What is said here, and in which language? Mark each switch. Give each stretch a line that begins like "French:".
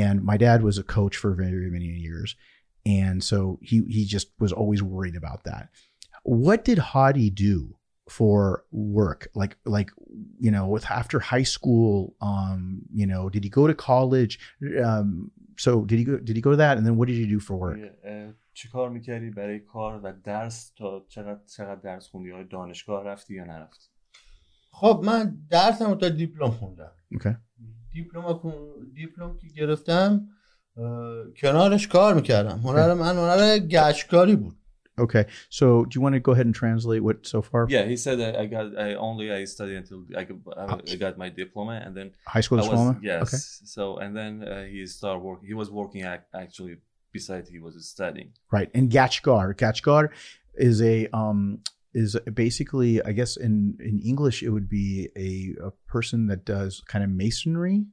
English: And my dad was a coach for very many years. And so he just was always worried about that. What did Hadi do for work? Like, you know, with after high school, you know, did he go to college? Did he go to that? And then what did he do for work?
Persian: چیکار میکردی برای کار و درس تا چقدر درس خوندی یا دانشگاه رفتی یا نرفتی؟ خب من درسم رو تا دیپلم خوندم.
English: Okay.
Persian: دیپلم که گرفتم کنارش کار میکردم هنر من هنر گچکاری بود
English: Okay. So do you want to go ahead and translate what so far? Yeah, he said that I studied until I got my diploma and then high school diploma? Yes. Okay. So and then he was working actually besides he was studying. Right. And gachkar is a basically I guess in English it would be a person that does kind of masonry.